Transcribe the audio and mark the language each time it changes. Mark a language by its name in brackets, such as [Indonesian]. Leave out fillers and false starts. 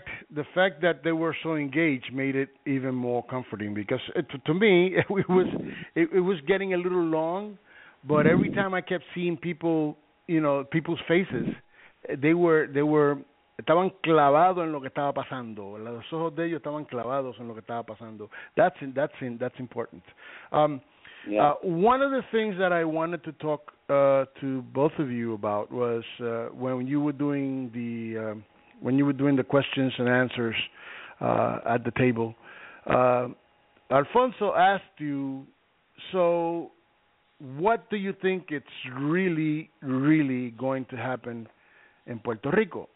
[English] The fact that they were so engaged made it even more comforting, because to me it was getting a little long, but every time I kept seeing people, you know, people's faces, they were [Spanish] estaban clavados en lo que estaba pasando. Los ojos de ellos estaban clavados en lo que estaba pasando. [English] That's important. One of the things that I wanted to talk to both of you about was when you were doing the questions and answers at the table. Alfonso asked you, so what do you think it's really, really going to happen in Puerto Rico?